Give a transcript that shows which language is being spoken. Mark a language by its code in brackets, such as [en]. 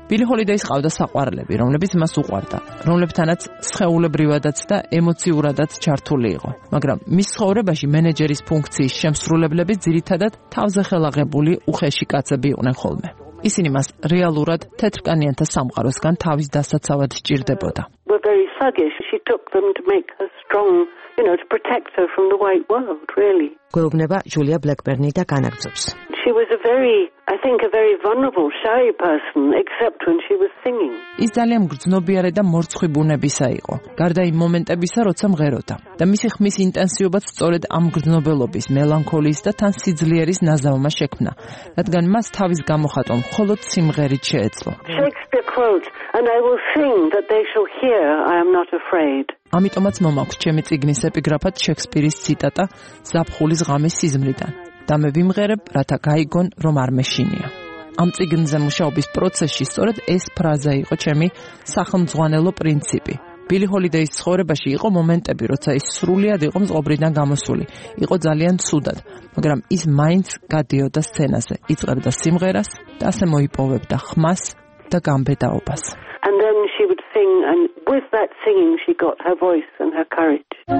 [ka] ბილი ჰოლიდეის ყავდა საყვარლები, რომლებიც მას უყვარდა, რომლებთანაც სხეულებრივადაც და ემოციურადაც ჩართული იყო. მაგრამ მის ცხოვრებაში მენეჯერის ფუნქციის შემსრულებლები ძირითადად თავზე ხელაღებული უხეში კაცები იყვნენ ხოლმე. ისინი მას რეალურად თეთრკანიანთა სამყაროსგან თავის დასაცავად სჭირდებოდა. [en] She took them to make her strong, you know, to protect her from the white world, really. [ka] გვეუბნება ჯულია ბლეკბერნი და განაგძობს. [en] She was a very, I think, a very vulnerable, shy person, except when she was singing. [ka] ის ძალიან გრძნობიარე და მორცხვი ბუნებისა იყო, გარდა იმ მომენტებისა, როცა მღეროდა. და მისი ხმის ინტენსივობაც სწორედ ამ გრძნობელობის, მელანქოლიის და თან სიძლიერის ნაზავმა შექმნა, რადგან მას თავის გამოხატვა მხოლოდ სიმღერით შეეძლო. [en] Shakespeare quote, and I will sing that they shall hear, I am not afraid. [ka] ამიტომაც მომაქვს ჩემი წიგნის ეპიგრაფად შექსპირის ციტატა ზაფხულის ღამის სიზმრიდან: და მე ვიმღერებ, რათა გაიგონ, რომ არ მეშინია. ამ წიგნზე მუშაობის პროცესში სწორედ ეს ფრაზა იყო ჩემი სახელმძღვანელო პრინციპი. ბილი ჰოლიდეის ცხოვრებაში იყო მომენტები, როცა ის სრულიად იყო მწყობრიდან გამოსული, იყო ძალიან ცუდად, მაგრამ ის მაინც გადიოდა სცენაზე, იწყებდა სიმღერას და ასე მოიპოვებდა ხმას და გამბედაობას. [en] And then she would sing, and with that singing she got her voice and her courage.